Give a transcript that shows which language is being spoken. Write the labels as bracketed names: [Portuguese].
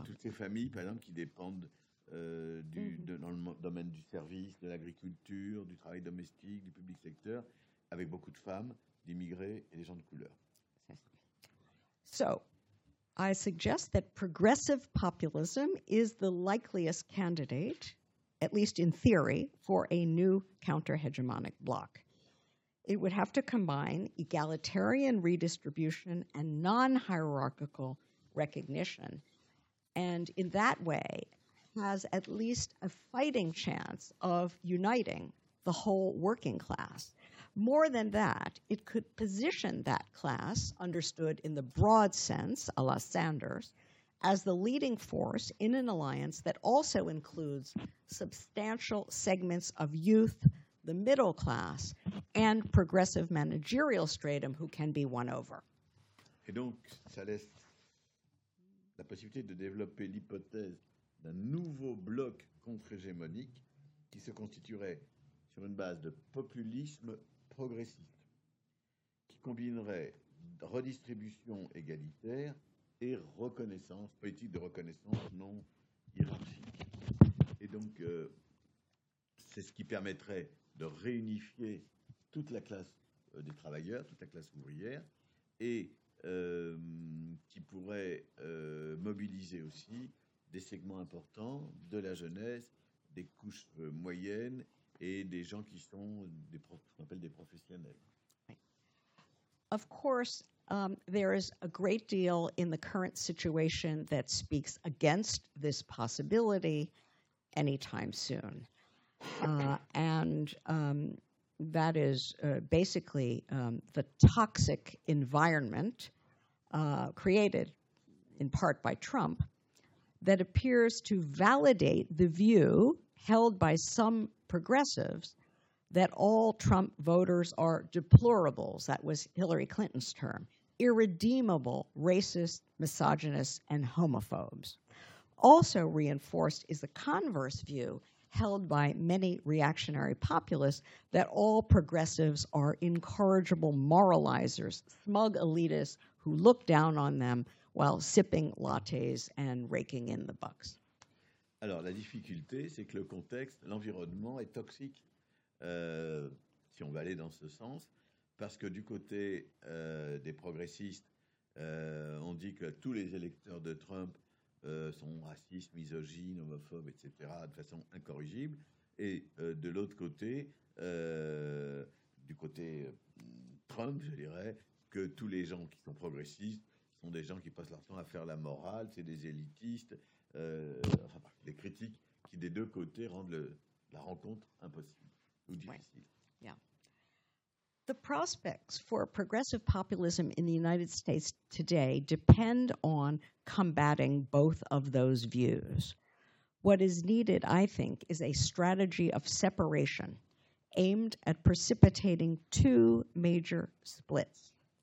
[French] Toutes ces familles, par exemple, qui dépendent dans le domaine du service, de l'agriculture, du travail domestique, du public secteur, avec beaucoup de femmes, d'immigrés et des gens de couleur. [English] So, I suggest that progressive populism is the likeliest candidate, at least in theory, for a new counter-hegemonic bloc. It would have to combine egalitarian redistribution and non-hierarchical recognition, and in that way, has at least a fighting chance of uniting the whole working class. More than that, it could position that class, understood in the broad sense, a la Sanders, as the leading force in an alliance that also includes substantial segments of youth, the middle class, and progressive managerial stratum who can be won over. [French] Et donc, ça laisse la possibilité de développer l'hypothèse d'un nouveau bloc contre-hégémonique qui se constituerait sur une base de populisme progressiste, qui combinerait redistribution égalitaire et reconnaissance, politique de reconnaissance non hiérarchique. Et donc, c'est ce qui permettrait de réunifier toute la classe des travailleurs, toute la classe ouvrière, et qui pourrait mobiliser aussi des segments importants de la jeunesse, des couches moyennes et des gens qui sont des qu'on appelle des professionnels. [English] Of course, there is a great deal in the current situation that speaks against this possibility anytime soon. That is basically the toxic environment created in part by Trump that appears to validate the view held by some progressives that all Trump voters are deplorables, that was Hillary Clinton's term, irredeemable, racist, misogynist, and homophobes. Also reinforced is the converse view held by many reactionary populists that all progressives are incorrigible moralizers, smug elitists who look down on them while sipping lattes and raking in the bucks. [French] Alors la difficulté, c'est que le contexte, l'environnement est toxique. Si on va aller dans ce sens, parce que du côté des progressistes, on dit que tous les électeurs de Trump sont racistes, misogynes, homophobes, etc., de façon incorrigible, et de l'autre côté, du côté Trump, je dirais, que tous les gens qui sont progressistes sont des gens qui passent leur temps à faire la morale, c'est des élitistes, enfin, des critiques qui, des deux côtés, rendent la rencontre impossible. [English] Right. Yeah. The prospects for progressive populism in the United States today depend on combating both of those views. What is needed, I think, is a strategy of separation aimed at precipitating two major splits.